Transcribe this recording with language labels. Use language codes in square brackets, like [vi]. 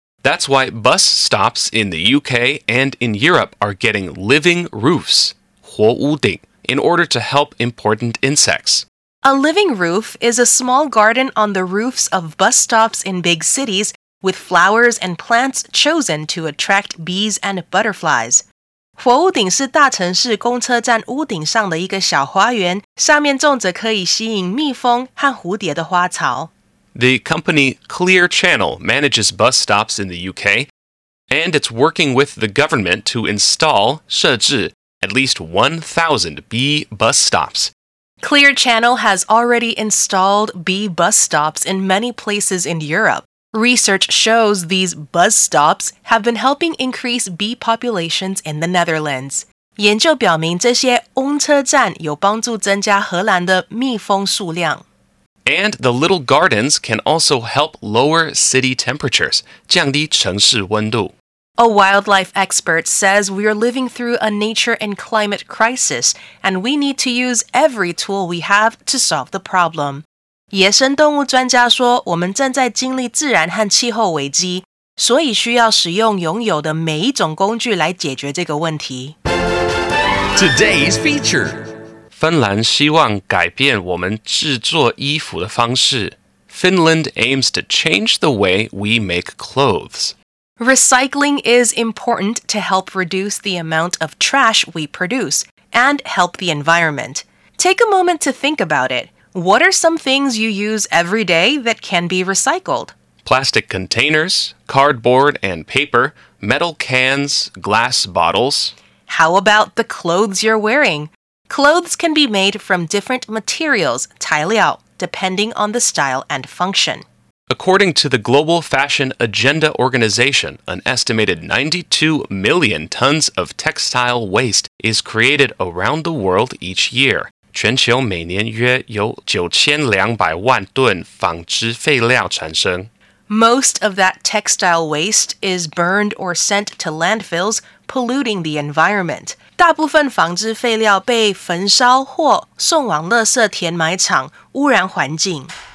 [en] That's why bus stops in the UK and in Europe are getting living roofs, [zh] 活屋顶, [en] in order to help important insects. A living roof is a small garden on the roofs of bus stops in big cities with flowers and plants chosen to attract bees and butterflies. [zh] 活屋顶是大城市公车站屋顶上的一个小花园，上面种着可以吸引蜜蜂和蝴蝶的花草。 [en] The company Clear Channel manages bus stops in the UK, and it's working with the government to install [zh] 设置, [en] at least 1,000 bee bus stops. Clear Channel has already installed bee bus stops in many places in Europe. Research shows these bus stops have been helping increase bee populations in the Netherlands. [zh] 研究表明这些翁车站有帮助增加荷兰的蜜蜂数量。 [en] And the little gardens can also help lower city temperatures, [zh] 降低城市温度。 [en] A wildlife expert says we are living through a nature and climate crisis, and we need to use every tool we have to solve the problem. [zh] 野生动物专家说，我们正在经历自然和气候危机，所以需要使用拥有的每一种工具来解决这个问题。 [en] Today's feature. [zh] 芬兰希望改变我们制作衣服的方式。 [en] Finland aims to change the way we make clothes. Recycling is important to help reduce the amount of trash we produce and help the environment. Take a moment to think about it. What are some things you use every day that can be recycled? Plastic containers, cardboard and paper, metal cans, glass bottles. How about the clothes you're wearing? Clothes can be made from different materials, [zh] 材料, [en] depending on the style and function. According to the Global Fashion Agenda Organization, an estimated 92 million tons of textile waste is created around the world each year. [zh] 全球每年约有9200万吨纺织废料产生。 [en] Most of that textile waste is burned or sent to landfills, polluting the environment. [zh] 大部分纺织废料被焚烧或送往垃圾填埋场，污染环境。